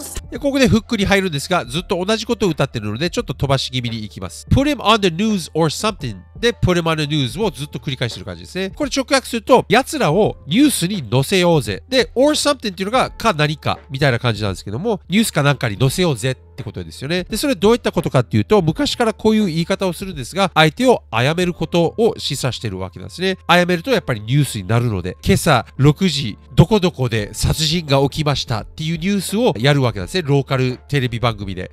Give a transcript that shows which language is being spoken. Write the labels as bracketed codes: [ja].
[ja] でここでフックに入るんですが、ずっと同じことを歌ってるのでちょっと飛ばし気味にいきます。 [en] Put him on the news or something [ja] で [en] Put him on the news [ja] をずっと繰り返してる感じですね。これ直訳すると、奴らをニュースに載せようぜ、で [en] or something [ja] っていうのがか何かみたいな感じなんですけども、ニュースかなんかに載せようぜってことですよね。でそれどういったことかっていうと、昔からこういう言い方をするんですが、相手を殺めることを示唆してるわけなんですね。殺めるとやっぱりニュースになるので、今朝6時どこどこで殺人が起きましたっていうニュースをやるわけなんですね、ローカルテレビ番組で。